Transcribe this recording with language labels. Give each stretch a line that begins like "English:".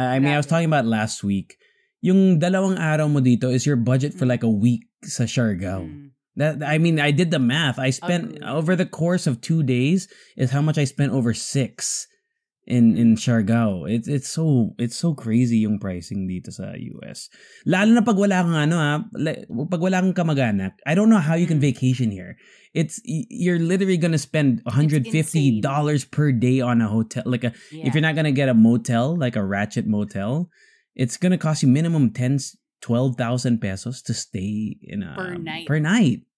English: I was talking about last week.
Filipino: Yung dalawang araw mo dito
English: is your budget for like a week
Filipino: sa Siargao.
English: I did the math. I spent over the course of 2 days is how much I spent over six in Siargao. It's so crazy
Filipino: yung pricing dito sa US. Lalo na pag wala kang pag wala kang kamag-anak.
English: I don't know how you can vacation here. You're literally gonna spend $150 per day on a hotel. If you're not gonna get a motel, like a ratchet motel, it's gonna cost you minimum 10-12,000 pesos to stay in a per night.